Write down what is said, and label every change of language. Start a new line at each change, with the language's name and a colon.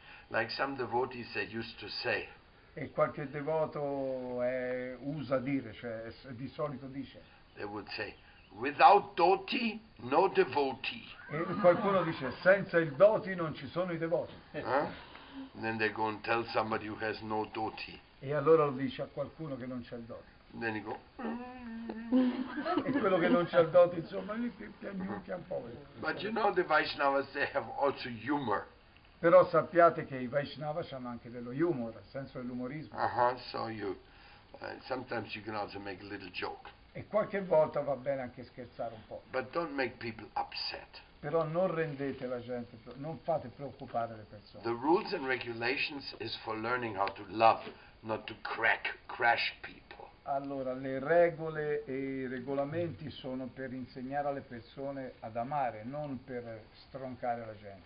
English: Like some devotees they used to say.
Italian: E qualche devoto usa dire, cioè di solito dice.
English: They would say, without doti, no devotee.
Italian: E qualcuno dice, senza il doti non ci sono i devoti.
English: Then they go and tell somebody who has no doti.
Italian: E allora lo dice a qualcuno che non c'è il doti.
English: Then he go.
Italian: E quello che non c'è il doti, insomma, piangnucchia un po'.
English: But you know the Vaishnavas, they have also humor.
Italian: Però sappiate che i Vaishnava hanno anche dello humor, il senso dell'umorismo.
English: So sometimes you can also make a little joke.
Italian: E qualche volta va bene anche scherzare un po'.
English: But don't make people upset.
Italian: Però non rendete la gente, non fate preoccupare le persone.
English: The rules and regulations is for learning how to love, not to crash people.
Italian: Allora, le regole e i regolamenti sono per insegnare alle persone ad amare, non per stroncare la gente.